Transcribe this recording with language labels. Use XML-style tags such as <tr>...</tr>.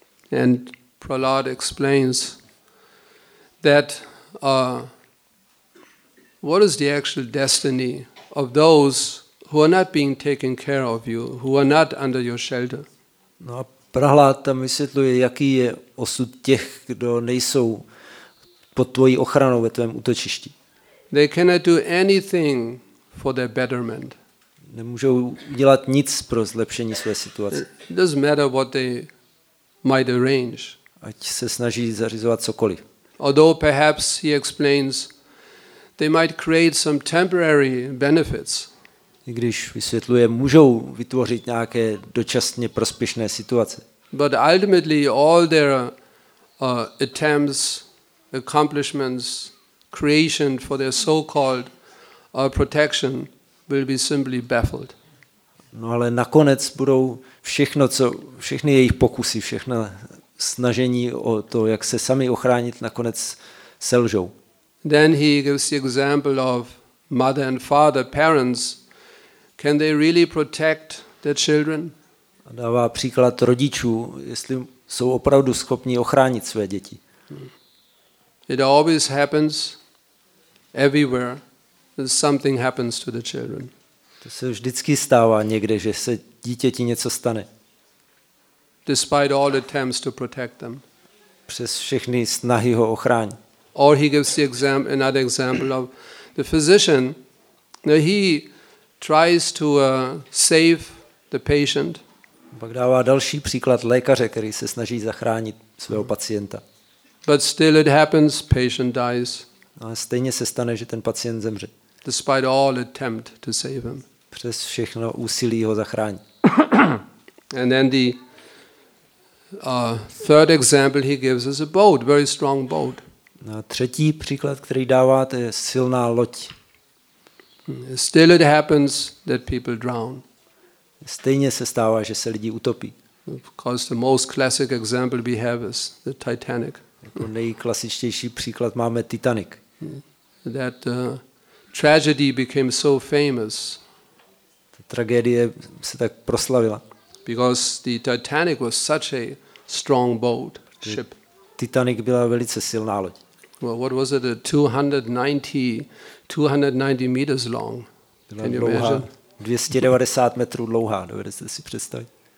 <en>And Prahlad explains that what is the actual destiny of those who are not being taken care of you, who are not under your shelter.</en> <cs>No a Prahlád tam vysvětluje, jaký je osud těch, kdo nejsou pod tvojí ochranou ve tvém útočišti.</cs> <en>They cannot do anything for their betterment.</en> <cs>Nemůžou dělat nic pro zlepšení své situace.</cs> <en>It doesn't matter what they might arrange.</en> <cs>Ať se snaží zařizovat cokoliv.</cs> <en>Although perhaps he explains, they might create some temporary benefits.</en> <cs>I když vysvětluje, můžou vytvořit nějaké dočasně prospěšné situace.</cs> <en>But ultimately all their attempts, accomplishments, creation for their so-called protection will be simply baffled.</en> <cs>No, ale nakonec budou všechno, co všechny jejich pokusy, všechna snažení o to, jak se sami ochránit, nakonec selžou.</cs> <en>Then he gives the example of mother and father, parents. Can they really protect their children?</en> <cs>A dává příklad rodičů, jestli jsou opravdu schopni ochránit své děti.</cs> <en>It always happens everywhere that something happens to the children.</en> <cs>To se vždycky stává někde, že se dítěti něco stane.</cs> <en>Despite all attempts to protect them.</en> <cs>Přes všechny snahy ho ochránit.</cs> <en>Or he gives the example, another example of the physician. Now he tries to save the patient.</en> <cs>Pak dává další příklad lékaře, který se snaží zachránit svého pacienta.</cs> <en>But still it happens, patient dies.</en> <cs>Ale stejně se stane, že ten pacient zemře.</cs> <en>Despite all attempt to save him.</en> <cs>Přes všechno úsilí ho zachránit.</cs> <en>And then the third example he gives is a boat, very strong boat.</en> <cs>A třetí příklad, který dává, to je silná loď.</cs> <en>Still it happens that people drown.</en> <cs>Stejně se stává, že se lidi utopí.</cs> <en>Of course, the most classic example we have is the Titanic.</en> <cs>Jako nejklasičtější příklad máme Titanic.</cs> <en>That tragedy became so famous.</en> <cs>Ta tragédie se tak proslavila.</cs> <en>Because the Titanic was such a strong boat ship.</en> <cs>Titanic byla velice silná loď.</cs> <en>Well, what was it? 290 meters long. Can you imagine?</en> <cs>290 metrů dlouhá, dovedete si představit.</cs>